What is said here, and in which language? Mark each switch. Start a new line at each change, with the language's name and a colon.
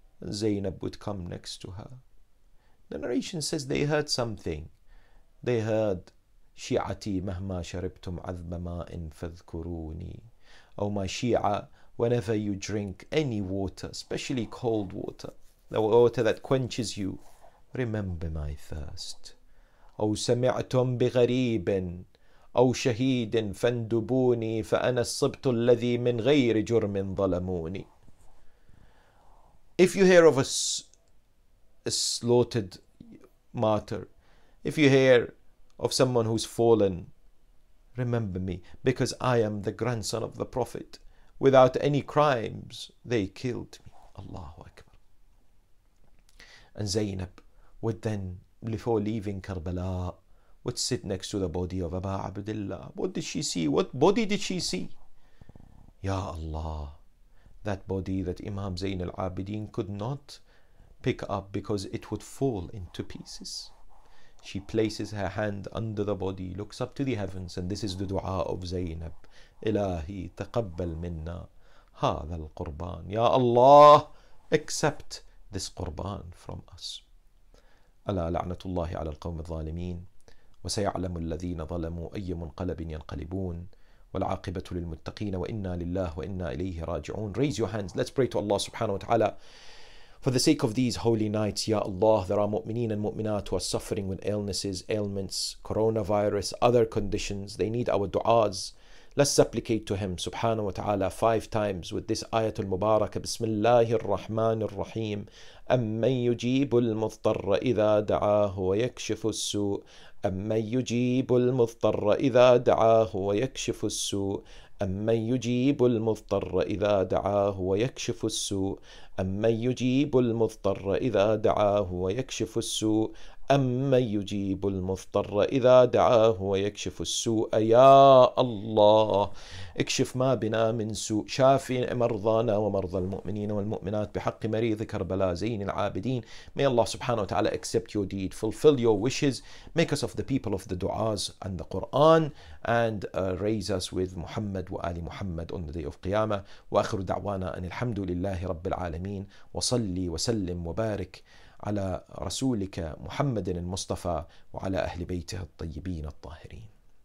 English: Zainab would come next to her. The narration says they heard something. They heard,
Arabic: Shi'ati mahma sharibtum azba ma'in fadhkuruni.
English: Oh my Shia, whenever you drink any water, especially cold water, the water that quenches you, remember my thirst.
Arabic: أو سمعتم بغريب أو شهيد فاندبوني فأنا الصبت الذي من غير جرم ظلموني.
English: If you hear of a slaughtered martyr, if you hear of someone who's fallen, remember me, because I am the grandson of the Prophet. Without any crimes, they killed me. Allahu Akbar. And Zainab would then, before leaving Karbala, would sit next to the body of Aba Abdullah. What did she see? What body did she see? Ya Allah, that body that Imam Zain al-Abidin could not pick up because it would fall into pieces. She places her hand under the body, looks up to the heavens, and this is the dua of Zainab.
Arabic: Ilahi taqabbal minna hadha al-qurban.
English: Ya Allah, accept this qurban from us.
Arabic: ألا لعنة الله على القوم الظالمين وسيعلم الذين ظلموا أي منقلب ينقلبون والعاقبة للمتقين وإنا لله وإنا إليه راجعون.
English: Raise your hands. Let's pray to Allah subhanahu wa ta'ala. For the sake of these holy nights, Ya Allah, there are mu'mineen and mu'minat who are suffering with illnesses, ailments, coronavirus, other conditions. They need our du'as. Let's supplicate to him subhanahu wa ta'ala 5 times with this ayatul mubarakah.
Arabic: Bismillahir Rahmanir Rahim. أَمَّنْ يُجِيبُ الْمُضْطَرَّ إِذَا دَعَاهُ وَيَكْشِفُ السُّوءَ أَمَّنْ يُجِيبُ الْمُضْطَرَّ إِذَا دَعَاهُ وَيَكْشِفُ السُّوءَ أَمَّنْ يُجِيبُ الْمُضْطَرَّ إِذَا دَعَاهُ وَيَكْشِفُ السُّوءَ أَمَّنْ يُجِيبُ الْمُضْطَرَّ إِذَا دَعَاهُ وَيَكْشِفُ السُّوءَ أَمَّنْ يُجِيبُ الْمُضْطَرَّ إِذَا دَعَاهُ وَيَكْشِفُ السُّوءَ. يَا اللَّهُ اكْشِفْ مَا بِنَا مِنْ سُوءٍ شَافِ مَرْضَانَا وَمَرْضَى الْمُؤْمِنِينَ وَالْمُؤْمِنَاتِ بِحَقِّ مَرِيضِ كَرْبَلَا زَيْنِ الْعَابِدِينَ.
English: May Allah subhanahu wa ta'ala accept your deed, fulfill your wishes, make us of the people of the du'as and the Quran, and raise us with Muhammad wa Ali Muhammad on the day of Qiyamah.
Arabic: وَأَخِرُ دَعْوَانَا أَنِ الْحَمْدُ لِلَّهِ رَبِّ الْعَالَمِينَ وَصَلِّي وَسَلِّمْ وَبَارِكْ على رسولك محمد المصطفى وعلى أهل بيته الطيبين الطاهرين.